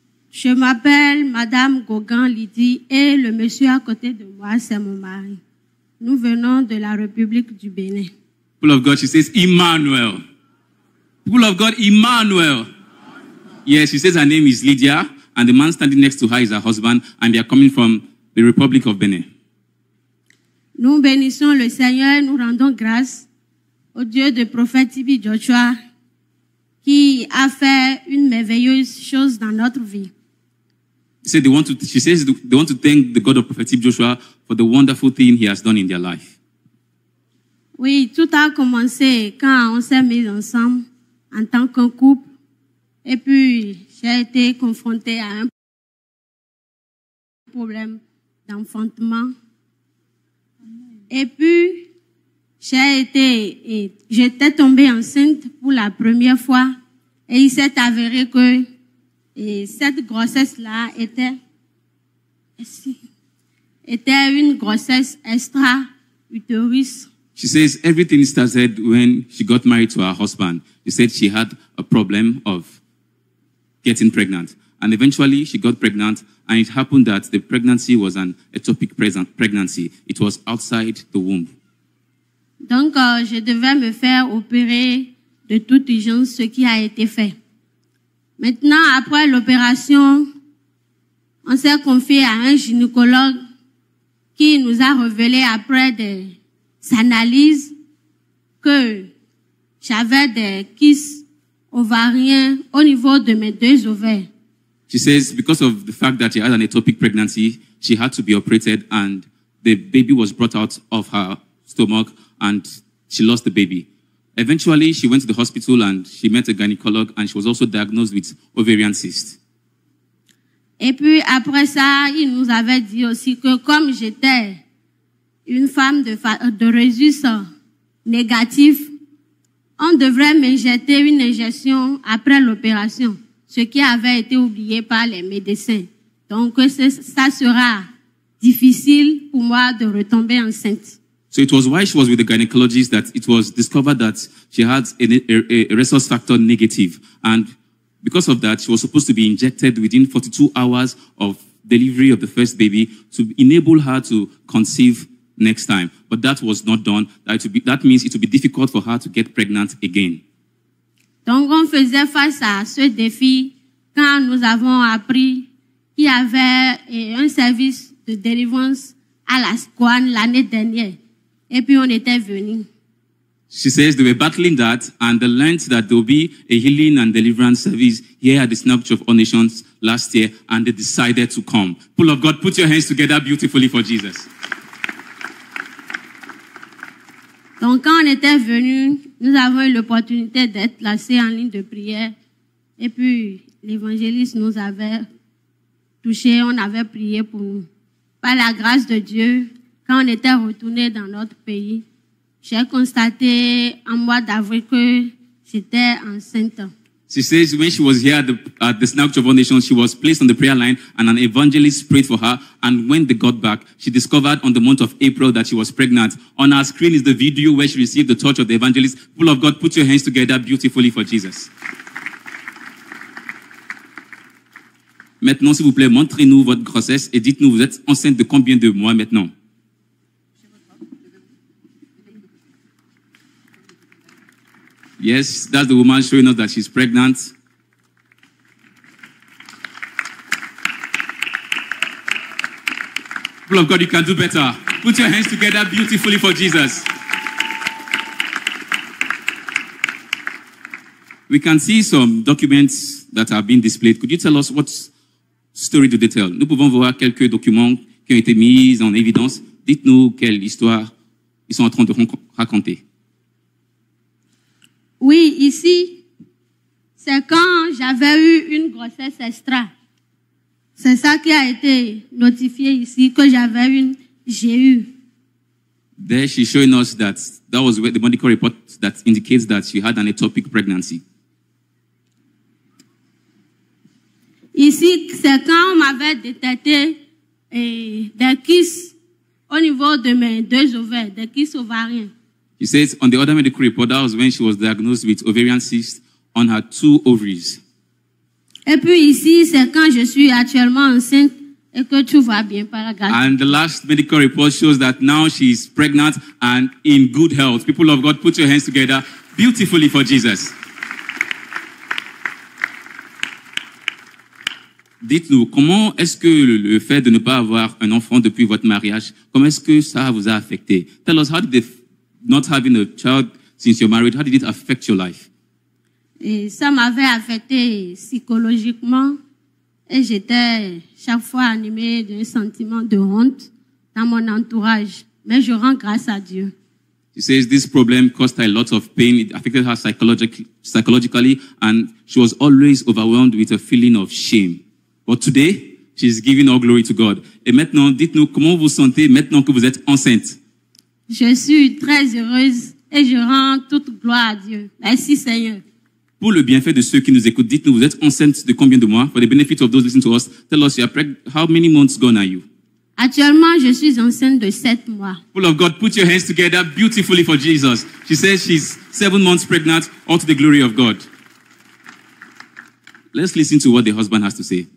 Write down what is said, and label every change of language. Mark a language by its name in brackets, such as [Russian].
[French] Je m'appelle Madame Gauguin Lydie et le monsieur à côté de moi, c'est mon mari. Nous venons de la République du Bénin. [English] Full of God, she says, Emmanuel. Full of God, Emmanuel. Yes, she says her name is Lydia and the man standing next to her is her husband and they are coming from the Republic of Benin. [French] Nous bénissons le Seigneur, nous rendons grâce au Dieu de prophète Tibi Joshua qui a fait une merveilleuse chose dans notre vie. [English] She says they want to thank the God of prophète Tibi Joshua for the wonderful thing he has done in their life. [French] Oui, tout a commencé quand on s'est mis ensemble en tant qu'un couple. Et puis, j'ai été confrontée à un problème d'enfantement. Et puis, j'étais tombée enceinte pour la première fois. Et il s'est avéré que cette grossesse-là était une grossesse extra-utérine. [English] She says everything started when she got married to her husband. She said she had a problem of getting pregnant. And eventually she got pregnant and it happened that the pregnancy was an ectopic pregnancy. It was outside the womb. [French] Donc, je devais me faire opérer de toute urgence ce qui a été fait. Maintenant, après l'opération, on s'est confié à un gynécologue qui nous a révélé après des analyses que j'avais des kystes ovarien au niveau de mes deux ovaires. [English] She says because of the fact that she had an ectopic pregnancy, she had to be operated and the baby was brought out of her stomach and she lost the baby. Eventually, she went to the hospital and she met a gynecologue and she was also diagnosed with ovarian cyst. [French] Et puis après ça, il nous avait dit aussi que comme j'étais une femme de rhésus négatif, on devrait m'injecter une injection après l'opération, ce qui avait été oublié par les médecins. Donc, ça sera difficile pour moi de retomber enceinte. [English] So it was while she was with the gynecologist that it was discovered that she had a rhesus factor negative. And because of that, she was supposed to be injected within 42 hours of delivery of the first baby to enable her to conceive next time, but that was not done. That means it would be difficult for her to get pregnant again. [French] Donc on faisait face à ce défi quand nous avons appris qu'il y avait un service de délivrance à la SCOAN l'année dernière, et puis on était venu. [English] She says they were battling that, and they learned that there will be a healing and deliverance service here at the Synagogue Church of All Nations last year, and they decided to come. Full of God, put your hands together beautifully for Jesus. [French] Donc, quand on était venu, nous avons eu l'opportunité d'être placés en ligne de prière. Et puis, l'évangéliste nous avait touchés, on avait prié pour nous. Par la grâce de Dieu, quand on était retourné dans notre pays, j'ai constaté en mois d'avril que j'étais enceinte. [English] She says when she was here at the Synagogue Church of All Nations, she was placed on the prayer line and an evangelist prayed for her. And when they got back, she discovered on the month of April that she was pregnant. On our screen is the video where she received the touch of the evangelist. Full of God, put your hands together beautifully for Jesus. [French] Maintenant, s'il vous plaît, montrez-nous votre grossesse et dites-nous, vous êtes enceinte de combien de mois maintenant? [English] Yes, that's the woman showing us that she's pregnant. People of God, you can do better. Put your hands together beautifully for Jesus. We can see some documents that have been displayed. Could you tell us what story do they tell? [French] Nous pouvons voir quelques documents qui ont été mis en évidence. Dites-nous quelle histoire ils sont en train de raconter. Oui, ici, c'est quand j'avais eu une grossesse extra. C'est ça qui a été notifié ici, que j'avais une GU. [English] There she's showing us that was the medical report that indicates that she had an ectopic pregnancy. [French] Ici, c'est quand on m'avait détecté des kystes au niveau de mes deux ovaires, des kystes ovariens. [English] He says, on the other medical report, that was when she was diagnosed with ovarian cyst on her two ovaries. [French] Et puis ici, c'est quand je suis actuellement enceinte et que tout va bien par la grâce. [English] And the last medical report shows that now she is pregnant and in good health. People of God, put your hands together beautifully for Jesus. [French] Dites-nous, comment est-ce que le fait de ne pas avoir un enfant depuis votre mariage, comment est-ce que ça vous a affecté? [English] Tell us, how did not having a child since your marriage, how did it affect your life? [French] Et ça m'avait affecté psychologiquement et j'étais chaque fois animée d'un sentiment de honte dans mon entourage. Mais je rends grâce à Dieu. [English] She says this problem caused her a lot of pain. It affected her psychologically and she was always overwhelmed with a feeling of shame. But today, she's giving all glory to God. [French] Et maintenant, dites-nous comment vous sentez maintenant que vous êtes enceinte. Je suis très heureuse et je rends toute gloire à Dieu. Merci Seigneur. Pour le bienfait de ceux qui nous écoutent, dites-nous, vous êtes enceinte de combien de mois? [English] For the benefit of those listening to us, tell us, you are pregnant. How many months gone are you? [French] Actuellement, je suis enceinte de 7 mois. [English] Full of God, put your hands together beautifully for Jesus. She says she's 7 months pregnant, all to the glory of God. Let's listen to what the husband has to say.